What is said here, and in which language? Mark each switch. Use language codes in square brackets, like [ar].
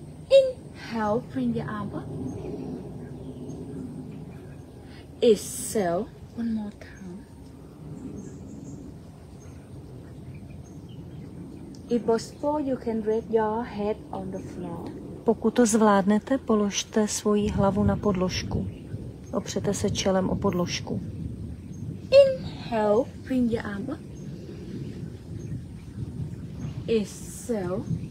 [en] Inhale, bring your arm up. Exhale, one more time. If possible, you can rest your head on the floor. [cs] Pokud to zvládnete, položte svoji hlavu na podložku. Opřete se čelem o podložku. [en] Inhale, bring your arm up. Exhale.